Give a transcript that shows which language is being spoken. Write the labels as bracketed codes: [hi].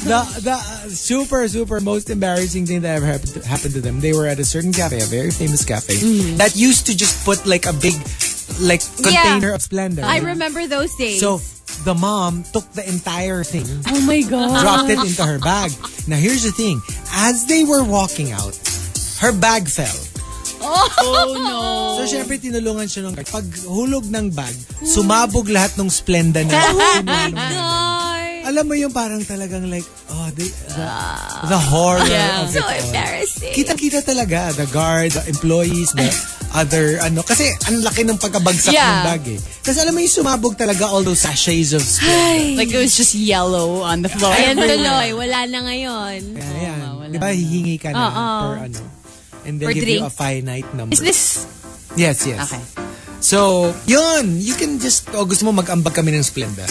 [en] The super, super most embarrassing thing that ever happened to them, they were at a certain cafe, a very famous cafe, that used to just put like a big like container of Splenda. I remember those days. So the mom took the entire thing. Oh my God. Dropped it into her bag. Now here's the thing. As they were walking out, her bag fell. Oh no. [tl] So syempre tinulungan siya ng guard. Pag hulog ng bag, sumabog lahat ng Splenda na. [en] Oh my God. [tl] Alam mo yung parang talagang like, [en] the horror of so it. So embarrassing. [tl] Kita-kita talaga [en] the guard, the employees, the other [tl] ano, kasi ang laki ng pagkabagsak ng bag eh. Kasi alam mo yung sumabog talaga [en] all those sachets of Splenda. Like it was just yellow on the floor. [tl] Ayan tuloy, wala na ngayon. Ayan. Di ba hihingi ka na for ano? [en] And they give you a finite number. Is this? Yes, yes. Okay. [tl] So, yun! [en] You can just, [tl] gusto mo mag-ambag kami ng Splenda.